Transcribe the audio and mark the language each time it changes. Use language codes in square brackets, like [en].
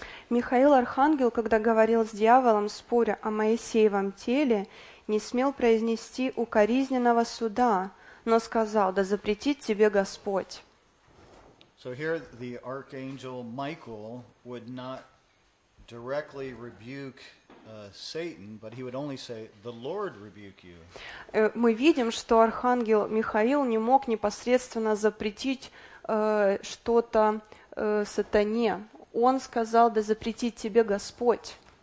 [ru] Михаил Архангел, когда говорил с дьяволом, споря о Моисеевом теле, не смел произнести укоризненного суда, но сказал: «Да запретит тебе Господь». [en] So here the archangel Michael would not directly rebuke Satan, but he would only say, "The Lord rebuke you." [ru] Мы видим, что архангел Михаил не мог непосредственно запретить что-то сатане. Он сказал: «Да запретит тебе Господь».